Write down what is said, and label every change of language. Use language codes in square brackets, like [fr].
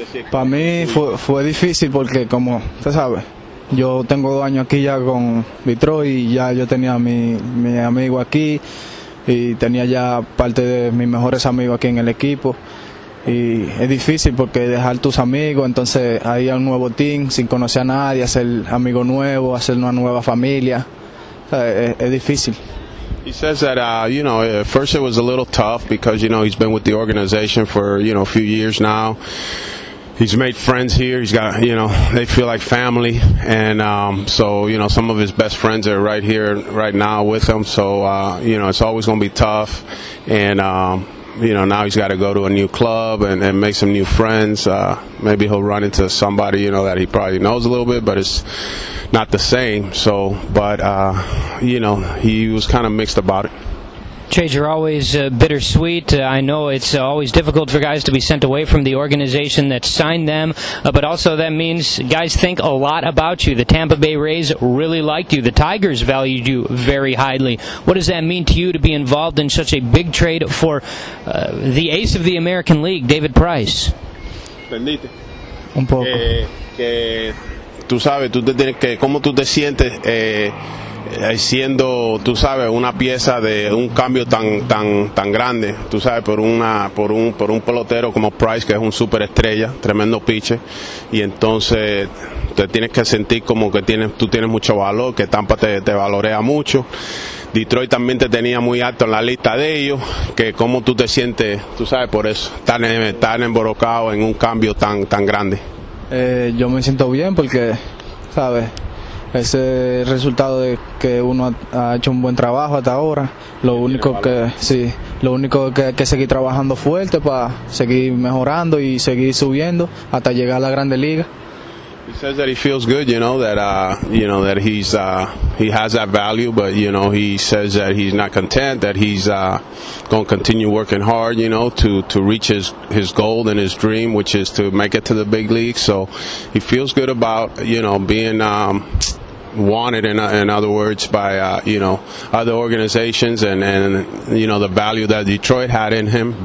[es] para mí fue difícil porque, como usted sabe, yo tengo 2 años aquí ya con Detroit y ya yo tenía mi amigo aquí y tenía ya parte de mis mejores amigos aquí en el equipo. Y es difícil porque dejar tus amigos, entonces ahí a un nuevo team sin conocer a nadie, hacer amigo nuevo, hacer una nueva familia, es difícil. [en] He says that, you know, at first it was a little tough because, you know, he's been with the organization for, you know, a few years now. He's made friends here. He's got, you know, they feel like family. And so, you know, some of his best friends are right here, right now with him. So, you know, it's always going to be tough. And, you know, now he's got to go to a new club and make some new friends. Maybe he'll run into somebody, you know, that he probably knows a little bit, but it's not the same. So, but, you know, he was kind of mixed about it. Chase, you're always bittersweet. I know it's always difficult for guys to be sent away from the organization that signed them, but also that means guys think a lot about you. The Tampa Bay Rays really liked you. The Tigers valued you very highly. What does that mean to you to be involved in such a big trade for the ace of the American League, David Price? [es] Permite. Un poco. Tú sabes, tú te tienes que, ¿cómo tú te sientes? Siendo, tú sabes, una pieza de un cambio tan grande, tú sabes, por un pelotero como Price, que es un superestrella, tremendo pitcher, y entonces te tienes que sentir como que tú tienes mucho valor, que Tampa te valorea mucho. Detroit también te tenía muy alto en la lista de ellos, que cómo tú te sientes, tú sabes, por eso, tan embrocado en un cambio tan grande. Yo me siento bien porque, sabes, ese resultado de que uno ha hecho un buen trabajo hasta ahora, lo único que seguir trabajando fuerte para seguir mejorando y seguir subiendo hasta llegar a la Grande Liga. [en] He says that he feels good, you know, that he's he has that value, but you know, he says that he's not content, that he's going to continue working hard, you know, to reach his goal and his dream, which is to make it to the big league. So he feels good about, you know, being wanted, in other words, by you know, other organizations and you know, the value that Detroit had in him.